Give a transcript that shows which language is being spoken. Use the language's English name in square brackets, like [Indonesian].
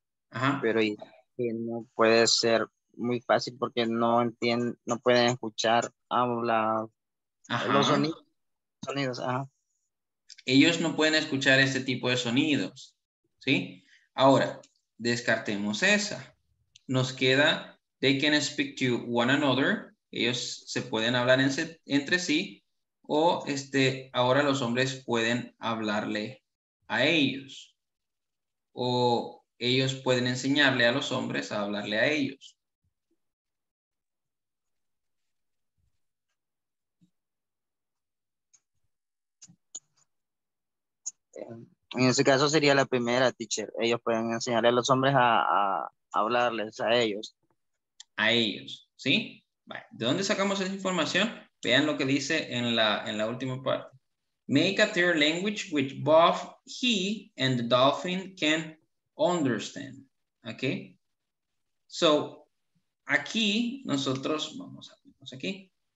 [Spanish] Ajá. Pero no puede ser muy fácil porque no entienden, no pueden escuchar, hablar Los sonidos. Sonidos, ajá. Ellos no pueden escuchar este tipo de sonidos, ¿sí? Ahora, descartemos esa. Nos queda, [English] they can speak to one another. [Spanish] Ellos se pueden hablar entre sí. O este, ahora los hombres pueden hablarle a ellos. O ellos pueden enseñarle a los hombres a hablarle a ellos. En ese caso sería la primera, teacher. Ellos pueden enseñarle a los hombres a hablarles a ellos. A ellos, ¿sí? Vale. ¿De dónde sacamos esa información? Vean lo que dice en la última parte. [English] Make a third language which both he and the dolphin can understand. ¿Ok? [Spanish] So, aquí nosotros vamos aquí.